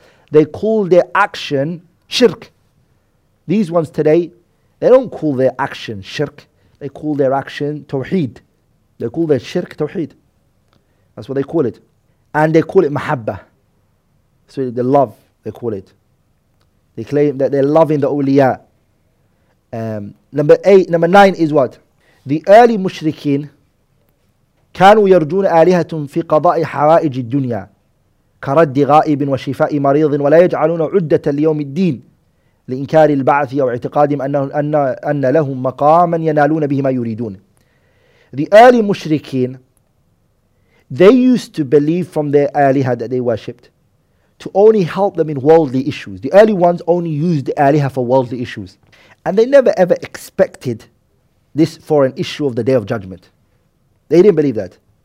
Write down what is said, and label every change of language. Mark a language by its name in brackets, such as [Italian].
[English] They called their action shirk. These ones today, they don't call their action shirk. They call their action tawheed. They call their shirk tawheed. That's what they call it. And they call it mahabba. So the love, they call it. They claim that they're loving the awliya. Number nine is what? The early mushrikeen, [Arabic] كانوا يرجون آلهة في قضاء حوائج الدنيا كرد غائب وشفاء مريض ولا يجعلون عدة ليوم الدين لإنكار البعث أو اعتقادهم أن لهم مقاما ينالون به ما يريدون. [English] The early mushrikeen, they used to believe from their آلهة that they worshipped to only help them in worldly issues. The early ones only used Aliha for worldly issues. And they never ever expected this for an issue of the Day of Judgment. They didn't believe that.